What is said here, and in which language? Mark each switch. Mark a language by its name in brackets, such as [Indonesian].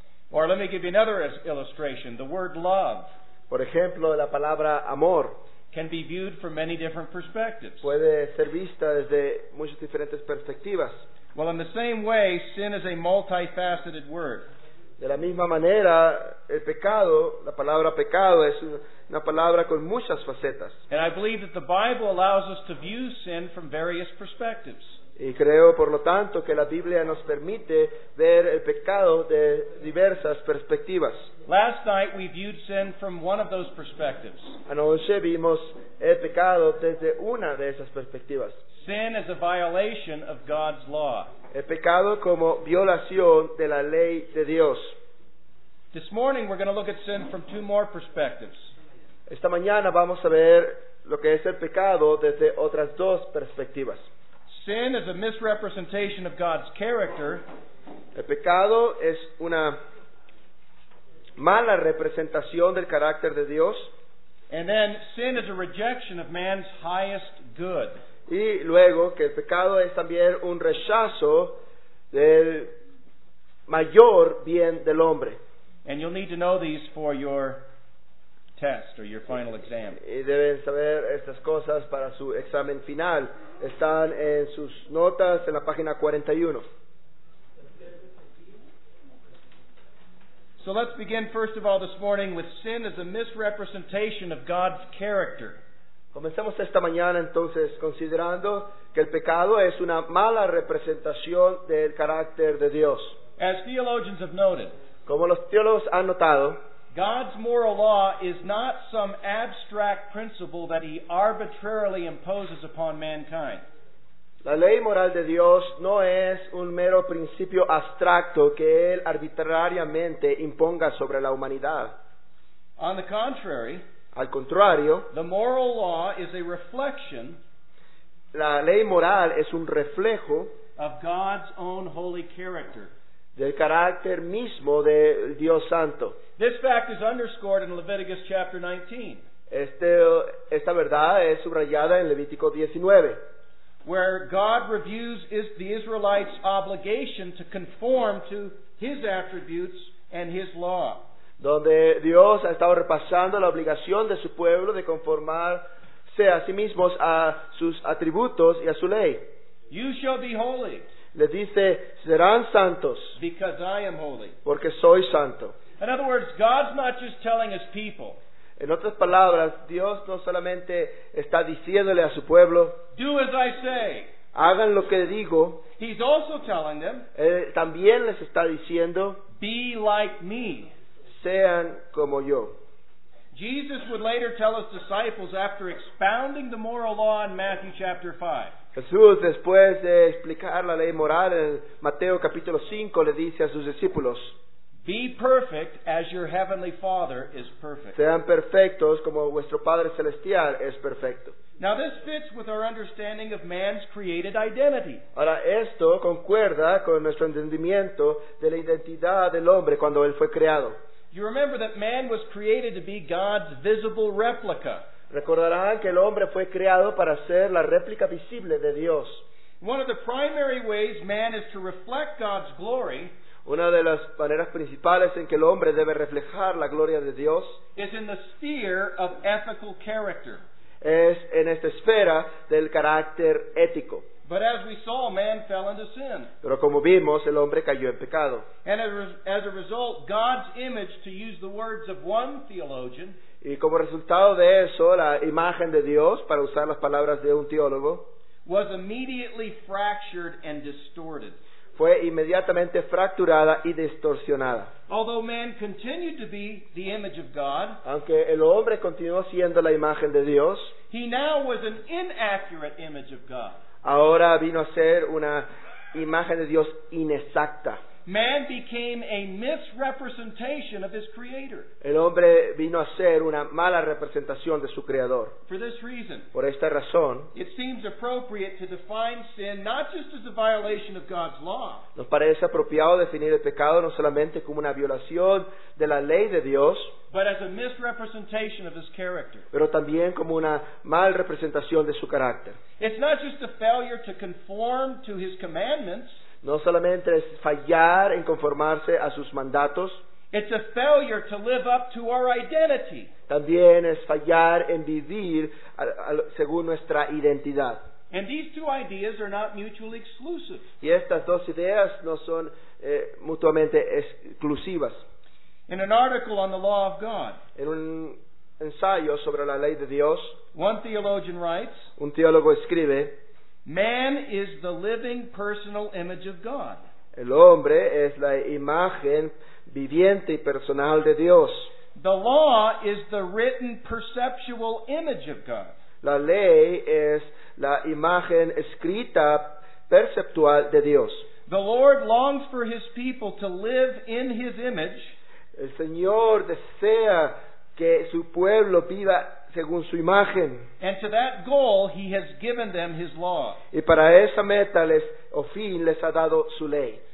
[English] Or let me give you another illustration. The word love. [Spanish] Por ejemplo, la palabra amor. [English] Can be viewed from many different perspectives. [Spanish] Puede ser vista desde muchas diferentes perspectivas. [English] Well, in the same way, sin is a multifaceted word. [Spanish] De la misma manera, el pecado, la palabra pecado, es una palabra con muchas facetas. [English] And I believe that the Bible allows us to view sin from various perspectives. [Spanish] Y creo, por lo tanto, que la Biblia nos permite ver el pecado de diversas perspectivas. [English] Last night we viewed sin from one of those perspectives. [Spanish] Anoche vimos el pecado desde una de esas perspectivas. [English] Sin is a violation of God's law. [Spanish] El pecado como violación de la ley de Dios. [English] This morning we're going to look at sin from two more perspectives. [Spanish] Esta mañana vamos a ver lo que es el pecado desde otras dos perspectivas. [English] Sin is a misrepresentation of God's character. [Spanish] El pecado es una mala representación del carácter de Dios. [English] And then sin is a rejection of man's highest good. [Spanish] Y luego que el pecado es también un rechazo del mayor bien del hombre. [English] And you'll need to know these for your test or your final exam. [Spanish] Y deben saber estas cosas para su examen final. Están en sus notas en la página 41. [English] So let's begin first of all this morning with sin as a misrepresentation of God's character. [Spanish] Comencemos esta mañana entonces considerando que el pecado es una mala representación del carácter de Dios. [English] As theologians have noted, [Spanish] como los teólogos han notado, [English] God's moral law is not some abstract principle that he arbitrarily imposes upon mankind. [Spanish] La ley moral de Dios no es un mero principio abstracto que él arbitrariamente imponga sobre la humanidad. [English] On the contrary, [Spanish] al contrario, [English] the moral law is a reflection, [Spanish] la ley moral es un reflejo, [English] of God's own holy character, [Spanish] del carácter mismo de Dios Santo. [English] This fact is underscored in Leviticus chapter 19. [Spanish] Esta verdad es subrayada en Levítico 19. [English] Where God reviews is the Israelites' obligation to conform to his attributes and his law. [Spanish] Donde Dios ha estado repasando la obligación de su pueblo de conformarse a sí mismos a sus atributos y a su ley. [English] You shall be holy. [Spanish] Le dice, serán santos. [English] Because I am holy. [Spanish] Porque soy santo. [English] In other words, God's not just telling his people. [Spanish] En otras palabras, Dios no solamente está diciéndole a su pueblo, [English] do as I say. [Spanish] Hagan lo que digo. [English] He's also telling them, [Spanish] también les está diciendo, [English] be like me. [Spanish] Sean como yo. [English] Jesus would later tell his disciples after expounding the moral law in Matthew chapter 5. [Spanish] Jesús, después de explicar la ley moral en Mateo capítulo 5, le dice a sus discípulos, [English] be perfect as your heavenly Father is perfect. [Spanish] Sean perfectos como vuestro Padre Celestial es perfecto. [English] Now this fits with our understanding of man's created identity. [Spanish] Ahora esto concuerda con nuestro entendimiento de la identidad del hombre cuando él fue creado. [English] You remember that man was created to be God's visible replica. [Spanish] Recordarán que el hombre fue creado para ser la réplica visible de Dios. [English] One of the primary ways man is to reflect God's glory. [Spanish] Una de las maneras principales en que el hombre debe reflejar la gloria de Dios [English] is in the sphere of ethical character. [Spanish] Es en esta esfera del carácter ético. [English] But as we saw, man fell into sin. [Spanish] Pero como vimos, el hombre cayó en pecado. [English] And as a result, God's image, to use the words of one theologian, [Spanish] Y como resultado de eso, la imagen de Dios, para usar las palabras de un teólogo, [English] was immediately fractured and distorted. [Spanish] Fue inmediatamente fracturada y distorsionada. [English] Although man continued to be the image of God, [Spanish] aunque el hombre continuó siendo la imagen de Dios, [English] he now was an inaccurate image of God. [Spanish] Ahora vino a ser una imagen de Dios inexacta. [English] Man became a misrepresentation of his creator. [Spanish] El hombre vino a ser una mala representación de su creador. [English] For this reason, [Spanish] por esta razón, [English] it seems appropriate to define sin not just as a violation of God's law. [Spanish] Nos parece apropiado definir el pecado no solamente como una violación de la ley de Dios, [English] but as a misrepresentation of his character. [Spanish] Pero también como una mala representación de su carácter. [English] It's not just a failure to conform to his commandments. [Spanish] No solamente es fallar en conformarse a sus mandatos. [English] It's a failure to live up to our identity. [Spanish] También es fallar en vivir según nuestra identidad. [English] And these two ideas are not mutually exclusive. [Spanish] Y estas dos ideas no son mutuamente exclusivas. [English] In an article on the law of God, [Spanish] en un ensayo sobre la ley de Dios, [English] one theologian writes, [Spanish] un teólogo escribe, [English] man is the living personal image of God. [Spanish] El hombre es la imagen viviente y personal de Dios. [English] The law is the written perceptual image of God. [Spanish] La ley es la imagen escrita perceptual de Dios. [English] The Lord longs for his people to live in his image. [Spanish] El Señor desea que su pueblo viva según su imagen. [English] And to that goal, he has given them his law. [Spanish] Y para esa meta les ha dado su ley.